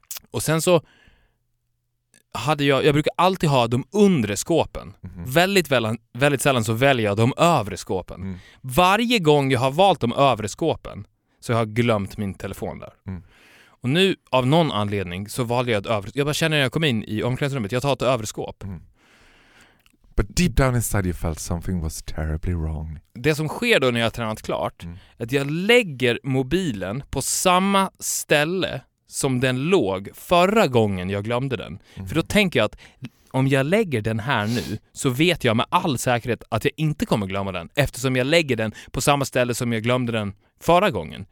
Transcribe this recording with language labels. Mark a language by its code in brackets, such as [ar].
[sv] Och sen så hade jag brukar alltid ha de undre skåpen. Mm. Väldigt, väldigt, väldigt sällan så väljer jag de övre skåpen. Mm. Varje gång jag har valt de övre skåpen så jag har jag glömt min telefon där. Mm. Och nu av någon anledning så valde jag ett övre. Jag bara känner när jag kom in i omklädningsrummet, jag tar ett övre skåp. Mm. [en] But deep down inside you felt something was terribly wrong. [sv] Det som sker då när jag har tränat klart är att jag lägger mobilen på samma ställe som den låg förra gången jag glömde den. Mm. För då tänker jag att om jag lägger den här nu så vet jag med all säkerhet att jag inte kommer glömma den, eftersom jag lägger den på samma ställe som jag glömde den förra gången.